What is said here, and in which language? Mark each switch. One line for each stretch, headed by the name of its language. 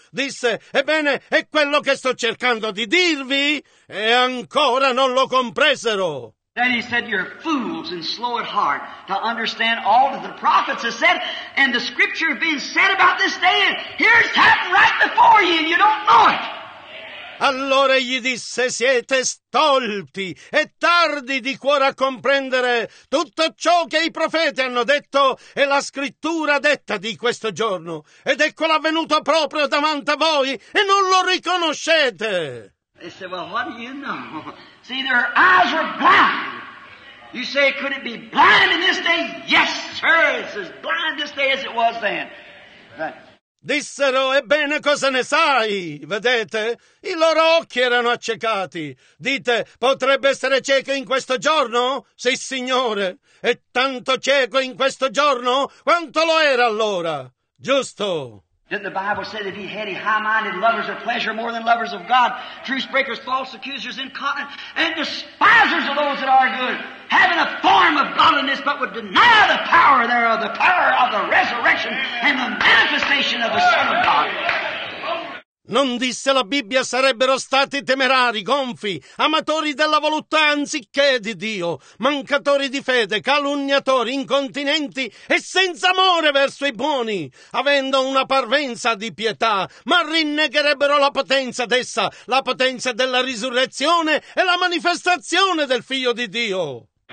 Italian: Disse, ebbene, è quello che sto cercando di dirvi, e ancora non lo compresero.
English: Then he said, you're fools and slow at heart to understand all that the prophets have said and the scripture have been said about this day, and here it's happened right before you and you don't know it.
Italian: Allora egli disse, siete stolti e tardi di cuore a comprendere tutto ciò che i profeti hanno detto e la scrittura detta di questo giorno, ed ecco l'avvenuto proprio davanti a voi e non lo riconoscete.
English: They said, well, what do you know? See, their eyes were blind. You say, could it be blind in this day? Yes, sir, it's as blind this day as it was then.
Italian: Dissero, ebbene, cosa ne sai? Vedete, i loro occhi erano accecati. Dite, potrebbe essere cieco in questo giorno? Sì, signore. E tanto cieco in questo giorno? Quanto lo era allora? Giusto.
English: Didn't the Bible say to be heady, high-minded, lovers of pleasure more than lovers of God, truth-breakers, false accusers, incontinent, and despisers of those that are good, having a form of godliness, but would deny the power thereof, the power of the resurrection and the manifestation of the Son of God?
Italian: Non disse la Bibbia sarebbero stati temerari, gonfi, amatori della voluttà anziché di Dio, mancatori di fede, calunniatori, incontinenti e senza amore verso i buoni, avendo una parvenza di pietà, ma rinnegherebbero la potenza d'essa, la potenza della risurrezione e la manifestazione del Figlio di Dio.